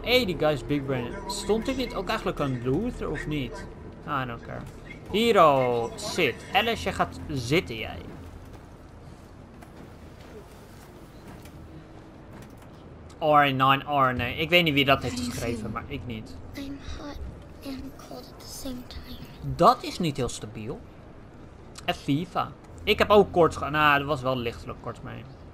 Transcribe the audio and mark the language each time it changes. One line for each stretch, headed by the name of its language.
Dutch: Hey, die guy's Big Brain. Stond hij niet ook eigenlijk aan Luther of niet?
English: I don't care.
Dutch: Hero, zit. Alice, je gaat zitten, jij. R9, R9. Ik weet niet wie dat heeft geschreven, maar ik niet.
English: I'm hot and cold at the same time.
Dutch: Dat is niet heel stabiel. En FIFA. Ik heb ook koorts gehad. Nou, er was wel lichtelijk koorts mee.